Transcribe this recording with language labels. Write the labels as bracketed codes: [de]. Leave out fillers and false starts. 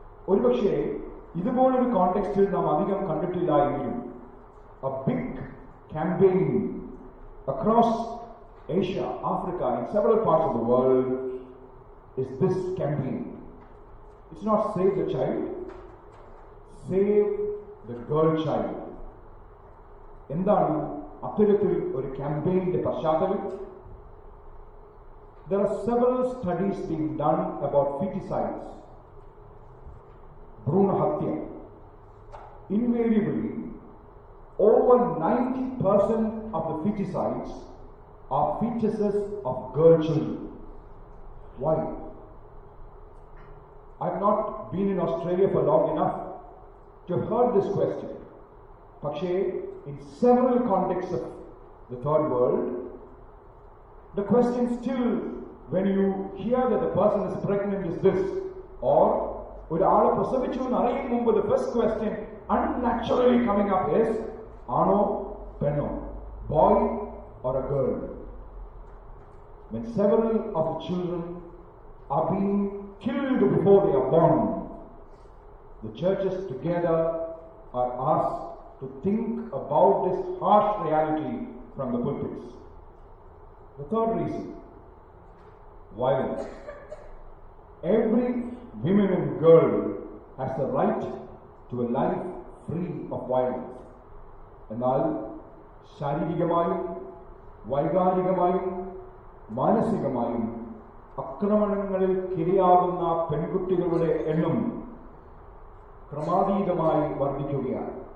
[ml] ഒരുപക്ഷെ ഇതുപോലൊരു കോണ്ടെക്സ്റ്റിൽ നാം അധികം കണ്ടിട്ടില്ലായെങ്കിലും [en] a big campaign across Asia, Africa, in several parts of the world is this campaign. It's not save the child, save the girl child. [ml] എന്താണ് അത്തരത്തിൽ ഒരു ക്യാമ്പയിന്റെ പശ്ചാത്തലം? [en] There are several studies being done about feticides, ഭ്രൂണഹത്യ. Invariably, over 90% of the feticides are fetuses of girl children. Why? I've not been in Australia for long enough to have heard this question. Pakshe, in several contexts of the third world, the question still, when you hear that the person is pregnant, is this. Or, [ml] ഒരു ആളെ പ്രസവിച്ചു എന്നറിയും മുമ്പ് [en] the first question unnaturally coming up is, [ml] ആണോ പെണ്ണോ? [en] Boy or a girl? When several of the children are being killed before they are born, the churches together are asked to think about this harsh reality from the pulpits. The third reason, violence. Every woman and girl has the right to a life free of violence. [ml] എന്നാൽ ശാരീരികമായും വൈകാരികമായും മാനസികമായും അക്രമണങ്ങളിൽ കിരയാകുന്ന പെൺകുട്ടികളുടെ എണ്ണം ക്രമാതീതമായി വർദ്ധിക്കുകയാണ്.